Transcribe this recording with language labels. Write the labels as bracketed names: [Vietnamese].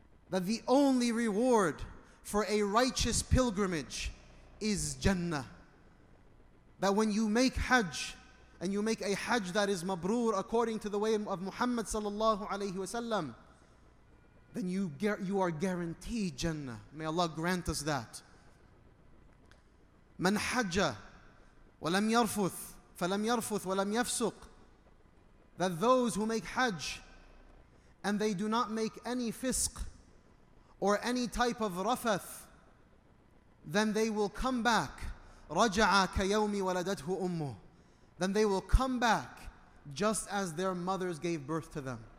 [English] That the only reward for a righteous pilgrimage is Jannah. That when you make Hajj, and you make a Hajj that is mabrur according to the way of Muhammad sallallahu alayhi wasallam, then you are guaranteed Jannah. May Allah grant us that. [Arabic] من حج ولم يرفث فلم يرفث ولم يفسق. [English] That those who make Hajj and they do not make any fisq or any type of rafath, then they will come back. [Arabic] رجع كيوم ولدته أمه. [English] Then they will come back just as their mothers gave birth to them.